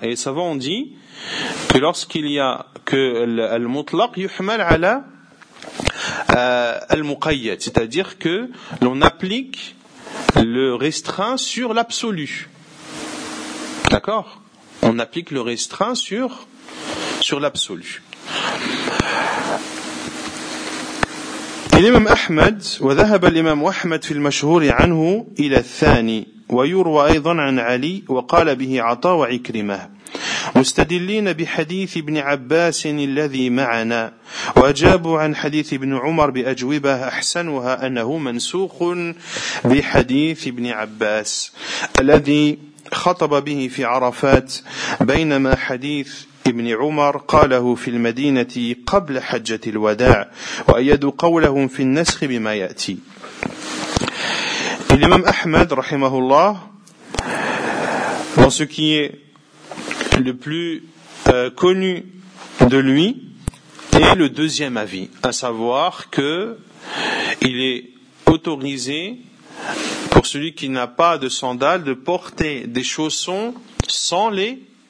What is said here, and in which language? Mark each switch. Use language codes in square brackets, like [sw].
[fr] Et les savants ont dit que lorsqu'il y a que [ar] al-mutlaq yuhmal ala al-muqayyad, [fr] c'est-à-dire que l'on applique le restreint sur l'absolu. D'accord ? On applique le restreint sur l'absolu. [ar] الإمام أحمد وذهب الإمام أحمد في المشهور عنه إلى الثاني ويروى أيضا عن علي وقال به عطاء وعكرمة مستدلين بحديث ابن عباس الذي معنا وأجابوا عن حديث ابن عمر بأجوبة أحسنها أنه منسوخ بحديث ابن عباس الذي خطب به في عرفات بينما حديث ابن عمر قاله في المدينة قبل حجة الوداع وأيد قولهم في النسخ بما يأتي. الإمام أحمد رحمه الله [fr] dans ce qui est le plus connu de lui est le deuxième avis, à savoir que il est autorisé pour celui qui n'a pas de sandales de porter des chaussons sans les